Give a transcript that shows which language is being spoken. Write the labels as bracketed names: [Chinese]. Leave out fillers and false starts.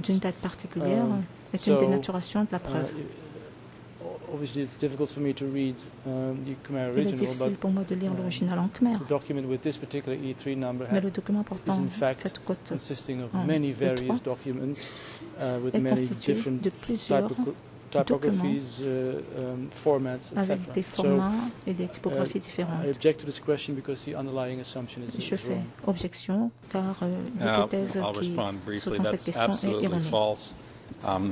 [French] D'une date particulière est une dénaturation de la preuve. [English] Obviously, it's difficult for me to read the Khmer original, but [French] pour moi de lire l'original en Khmer. [English] The document with this particular E3 number [French] mais le document portant [English] is in fact [French] cette cote [English] consisting of many various documents with many different typographies, formats, etc. [French] Avec des formats et des typographies différentes. [English] I object to this question because the underlying assumption is [French] je fais objection car l'hypothèse qui sous-tend cette question est erronée.